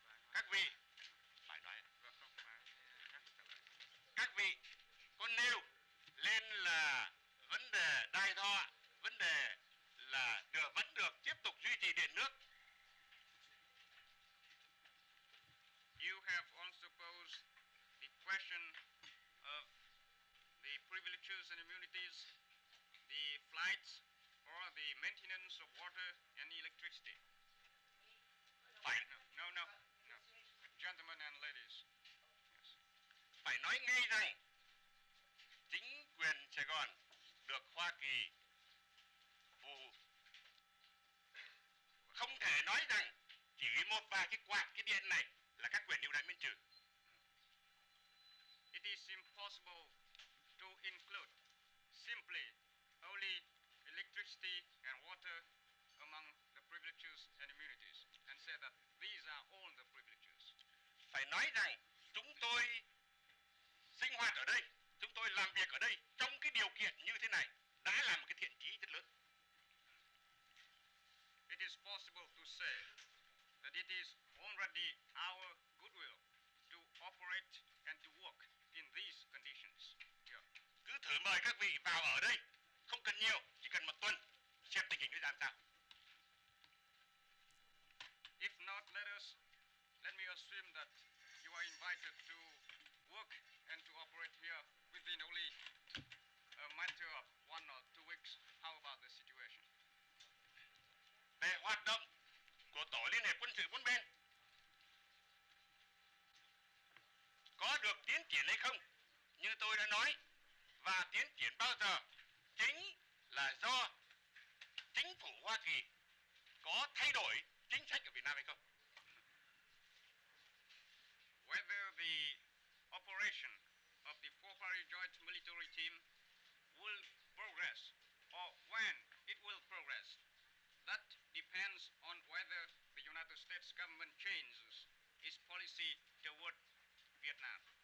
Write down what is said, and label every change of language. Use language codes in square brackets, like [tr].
[vi] Các vị, phải nói. Các vị có nêu lên là vấn đề đài thọ, vấn đề là được, vẫn được tiếp tục duy trì điện nước. [en] You have also posed the question of the privileges and immunities, the flights, or the maintenance of water and electricity. Fine. No. Gentlemen and ladies. Yes. [vi] Phải nói ngay rằng chính quyền Sài Gòn được Hoa Kỳ phù. Không thể nói rằng chỉ một vài cái quạt, cái điện này là các quyền ưu đãi miễn trừ. [en] It is impossible to include simply only electricity and water among the privileges and immunities and say that these are all the privileges. [vi] Phải nói rằng chúng tôi sinh hoạt ở đây, chúng tôi làm việc ở đây trong cái điều kiện như thế này đã là một cái thiện chí rất lớn. [en] It is possible to say that it is already our goodwill to operate and to work in these conditions. Yeah. [vi] Cứ thử mời các vị vào ở đây, không cần nhiều, chỉ cần một tuần, xem tình hình nó làm sao. [en] If not, let me assume that you are invited to work and to operate here within only a matter of 1 or 2 weeks. How about the situation? [vi] Về hoạt động của Tổ Liên Hiệp Quân sự bốn bên có được tiến triển hay không như tôi đã nói, và tiến triển bao giờ chính là do chính phủ Hoa Kỳ có thay đổi chính sách ở Việt Nam hay không. [en] Whether the operation of the four-party joint military team will progress or when it will progress, that depends on whether the United States government changes its policy toward Vietnam.